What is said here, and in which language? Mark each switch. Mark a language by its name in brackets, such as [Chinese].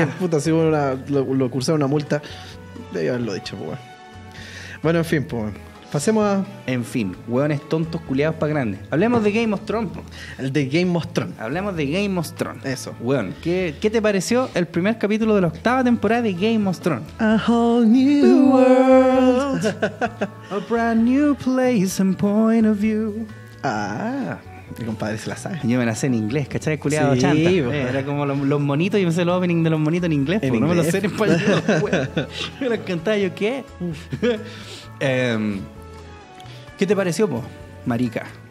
[Spanish] Porque, puta, si lo cursaron una multa, debió haberlo dicho, pues. Bueno, en fin, pues. Pasemos a... En fin, hueones tontos culiados para grandes. Hablemos de Game of Thrones. Hablemos de Game of Thrones. Eso. Hueón, ¿qué te pareció el primer capítulo de la octava temporada de Game of Thrones? [English] A whole new world. A brand new place and point of view. [Spanish] Ah, mi compadre se la sabe. Yo me la sé en inglés, ¿cachai? Culiado sí, chanta. Era como los monitos, yo me sé el opening de los monitos en inglés. ¿En inglés? No me lo sé en español. Me lo cantaba yo, ¿qué? ¿Qué te pareció, po, marica?